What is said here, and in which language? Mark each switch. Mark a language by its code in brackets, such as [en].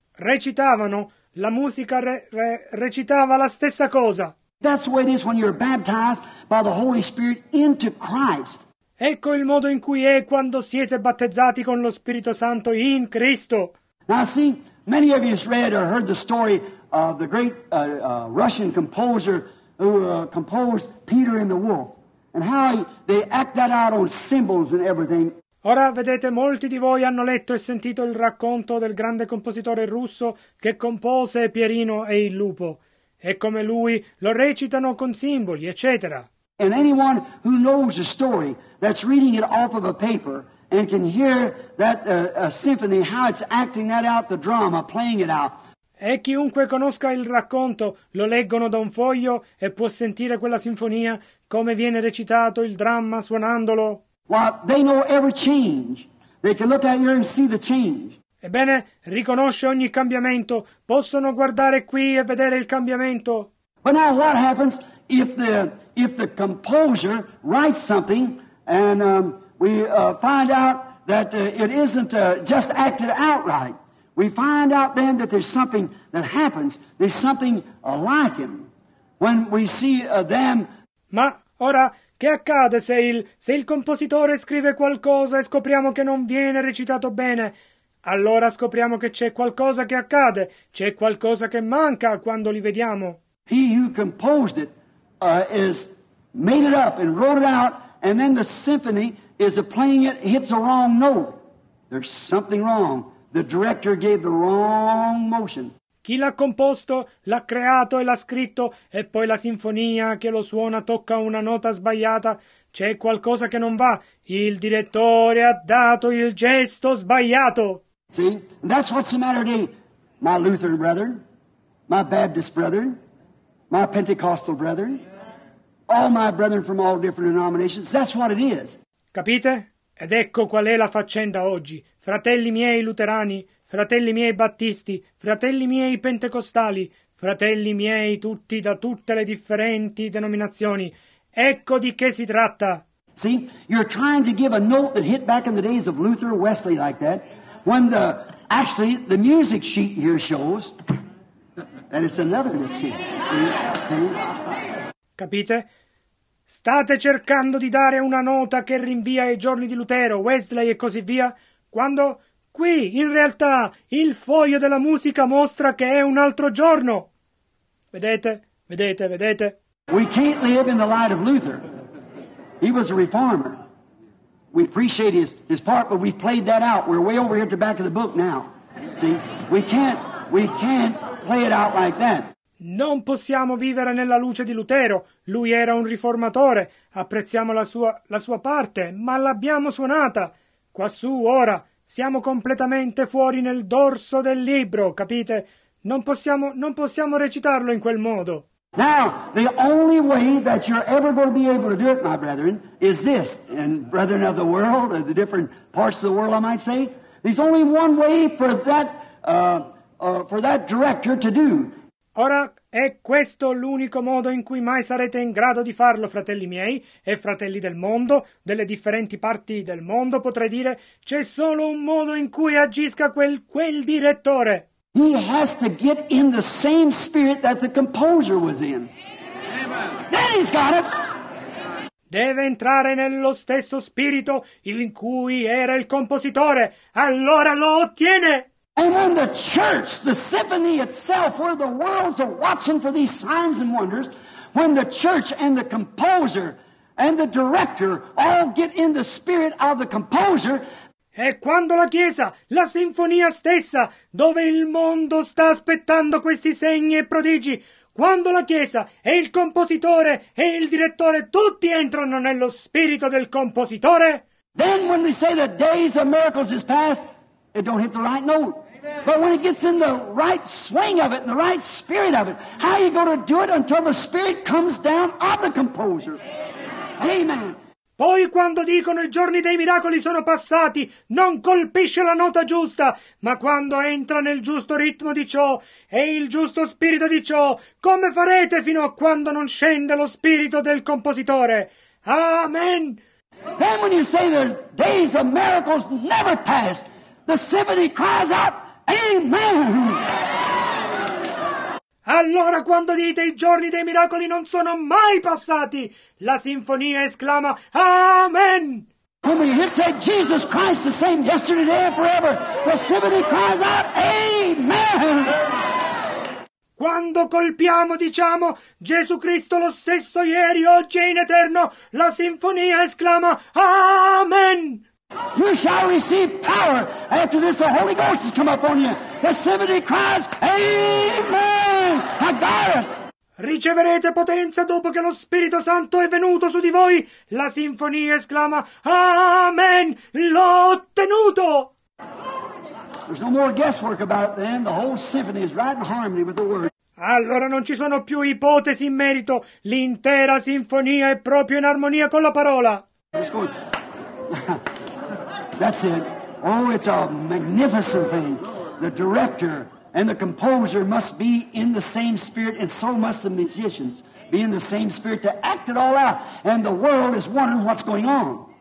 [it] Recitavano, la musica recitava la stessa cosa. [en] That's the way it is when you're baptized by the Holy Spirit into Christ. [it] Ecco il modo in cui è quando siete battezzati con lo Spirito Santo in Cristo. [en] Now see, many of you have read or heard the story of the great Russian composer who composed Peter and the Wolf, and how they act that out on symbols and everything. [it] Ora vedete, molti di voi hanno letto e sentito il racconto del grande compositore russo che compose Pierino e il Lupo, e come lui lo recitano con simboli, eccetera. [en] And anyone who knows a story that's reading it off of a paper and can hear that symphony, how it's acting that out, the drama, playing it out. [it] E chiunque conosca il racconto, lo leggono da un foglio e può sentire quella sinfonia, come viene recitato il dramma suonandolo. [en] Well, they know every change. They can look out here and see the change. [it] Ebbene, riconosce ogni cambiamento. Possono guardare qui e vedere il cambiamento. [en] But now what happens if the composer writes something and we find out that it isn't just acted outright? We find out then that there's something that happens. There's something like him when we see them. [it] Ma ora, che accade se il compositore scrive qualcosa e scopriamo che non viene recitato bene? Allora scopriamo che c'è qualcosa che accade, c'è qualcosa che manca quando li vediamo. [en] He who composed it is made it up and wrote it out, and then the symphony is playing it, hits a wrong note. There's something wrong. The director gave the wrong motion. [it] Chi l'ha composto, l'ha creato e l'ha scritto, e poi la sinfonia che lo suona tocca una nota sbagliata. C'è qualcosa che non va. Il direttore ha dato il gesto sbagliato. [en] See, and that's what's the matter today, my Lutheran brethren, my Baptist brethren, my Pentecostal brethren, all my brethren from all different denominations, that's what it is. [it] Capite? Ed ecco qual è la faccenda oggi. Fratelli miei luterani, fratelli miei battisti, fratelli miei pentecostali, fratelli miei tutti da tutte le differenti denominazioni, ecco di che si tratta. [en] See, you're trying to give a note that hit back in the days of Luther or Wesley like that, when the music sheet here shows that it's another note. [it] Capite? State cercando di dare una nota che rinvia ai giorni di Lutero, Wesley e così via, quando qui, in realtà, il foglio della musica mostra che è un altro giorno. Vedete? Vedete? Vedete? [en] We can't live in the light of Luther. He was a reformer. We appreciate his part, but we've played that out. We're way over here at the back of the book now. See? We can't play it out like that. [it] Non possiamo vivere nella luce di Lutero. Lui era un riformatore. Apprezziamo la sua parte, ma l'abbiamo suonata. Quassù, ora, siamo completamente fuori nel dorso del libro, capite? Non possiamo recitarlo in quel modo. [en] Now, the only way that you're ever going to be able to do it, my brethren, is this. And brethren of the world, or the different parts of the world, I might say, there's only one way for that director to do. [it] Ora, è questo l'unico modo in cui mai sarete in grado di farlo, fratelli miei e fratelli del mondo, delle differenti parti del mondo, potrei dire, c'è solo un modo in cui agisca quel direttore. [en] He has to get in the same spirit that the composer was in. Then he's got it! [it] Deve entrare nello stesso spirito in cui era il compositore, allora lo ottiene! [en] And when the church, the symphony itself, where the world's are watching for these signs and wonders, when the church and the composer and the director all get in the spirit of the composer. [it] E quando la Chiesa, la sinfonia stessa, dove il mondo sta aspettando questi segni e prodigi, quando la Chiesa e il compositore e il direttore tutti entrano nello spirito del compositore. [en] Then when we say the days of miracles is past, it don't hit the right note. But when it gets in the right swing of it, the right spirit of it, how are you going to do it until the spirit comes down of the composer? Amen. [it] Poi quando dicono i giorni dei miracoli sono passati, non colpisce la nota giusta, ma quando entra nel giusto ritmo di ciò e il giusto spirito di ciò, come farete fino a quando non scende lo spirito del compositore? Amen. [en] Then when you say the days of miracles never pass, the symphony cries out, Amen! [it] Allora quando dite i giorni dei miracoli non sono mai passati, la sinfonia esclama, Amen! [en] When we hit say Jesus Christ the same yesterday, today and forever, the symphony cries out, Amen! [it] Quando colpiamo, diciamo, Gesù Cristo lo stesso ieri, oggi e in eterno, la sinfonia esclama, Amen! [en] You shall receive power after this the Holy Ghost has come upon you. The symphony cries, Amen! I got it! [it] Riceverete potenza dopo che lo Spirito Santo è venuto su di voi. La sinfonia esclama: Amen! L'ho ottenuto! [en] There's no more guesswork about it then. The whole symphony is right in harmony with the word. [it] Allora non ci sono più ipotesi in merito. L'intera sinfonia è proprio in armonia con la parola. [en] That's it. Oh, it's a magnificent thing. The director and the composer must be in the same spirit, and so must the musicians be in the same spirit to act it all out. And the world is wondering what's going on.